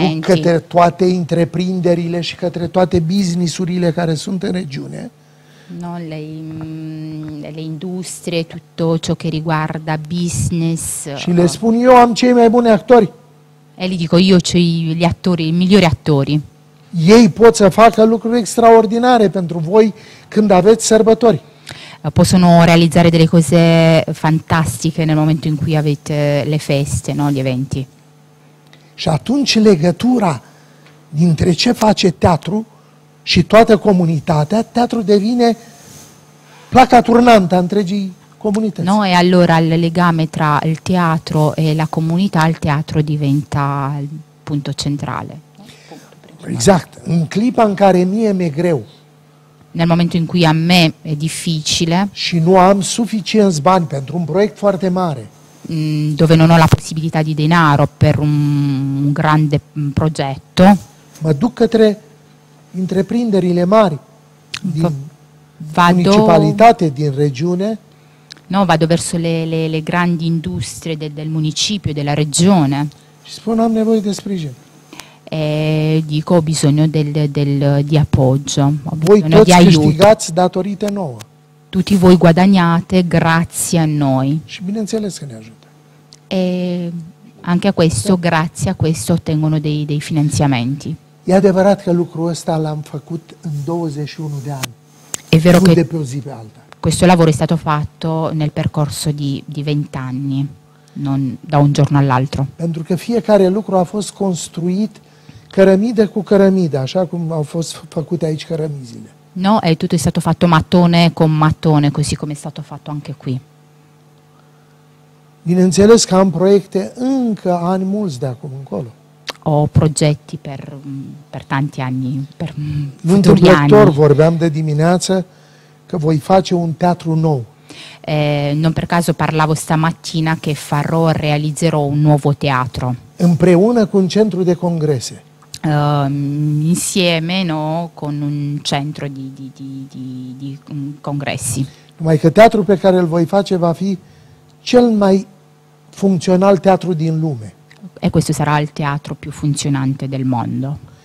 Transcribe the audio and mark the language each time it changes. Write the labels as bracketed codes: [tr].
[ro] Mă duc către toate întreprinderile și către toate business-urile care sunt în regiune. [it] No, le industrie, tutto ciò che riguarda business. [ro] Și le spun, eu am cei mai buni actori. [it] E gli dico, io ho gli attori, i migliori attori. [ro] Ei pot să facă lucruri extraordinare pentru voi când aveți sărbători. [it] Possono realizzare delle cose fantastiche nel momento in cui avete le feste, no, gli eventi. [ro] Și atunci legătura dintre ce face teatru și toată comunitatea, teatru devine placa turnantă a întregii comunități. [it] No, e allora il legame tra il teatro e la comunità, il teatro diventa il punto centrale. [ro] Exact, în clipa în care mie mi-e greu. [it] Nel momento in cui a me è difficile. [ro] Și nu am suficienți bani pentru un proiect foarte mare. [it] Dove non ho la possibilità di denaro per un grande progetto. [ro] Mă duc către întreprinderile mari din municipalitate, din regiune. [it] No, vado verso le grandi industrie del municipio, della regione. [ro] Și spun, am nevoie de sprijin. [it] E dico, ho bisogno di appoggio, ho bisogno [ro] voi [it] di aiuto. [ro] Câștigați datorite nouă. [it] Tutti voi guadagnate grazie a noi. [ro] Și bineînțeles că ne ajută. [it] E anche a questo, da. Grazie a questo ottengono dei finanziamenti. [ro] E adevărat că lucrul ăsta l-am făcut în 21 de ani. [it] È vero che [ro] pe o zi pe alta. [it] Questo lavoro è stato fatto nel percorso di 20 anni. Non da un giorno all'altro. [ro] Pentru că fiecare lucru a fost construit cărămidă cu cărămidă, așa cum au fost făcute aici cărămizile. [it] No, e tutto è stato fatto mattone con mattone, così come è stato fatto anche qui. [ro] Bineînțeles că am proiecte încă ani mulți de acum încolo. [it] Ho progetti per tanti anni, per futuri anni. [ro] Întâmplător vorbeam de dimineață că voi face un teatru nou. [it] Non per caso parlavo stamattina che farò, realizzerò un nuovo teatro. [ro] Împreună cu un centru de congrese. [it] Insieme, no, con un centro di congressi. [ro] Numai că teatru pe care îl voi face va fi cel mai funcțional teatru din lume. [it] E questo sarà il teatro più funzionante del mondo.